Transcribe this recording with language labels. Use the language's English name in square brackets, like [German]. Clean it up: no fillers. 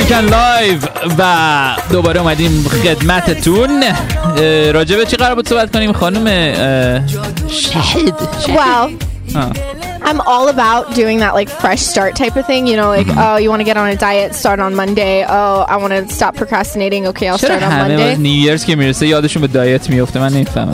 [Persian] لایو و دوباره اومدیم خدمتتون. راجع به چی قرار بود صحبت کنیم خانم شهید؟ [English] Wow I'm all about doing that like fresh start type of thing, you know, like oh, you want to get on a diet, start on Monday. Oh, I want to stop procrastinating. Okay, I'll start on Monday. [Persian] چرا نیو ایرز که میرسه یادشون به دایت میفته؟ من نمیفهمم.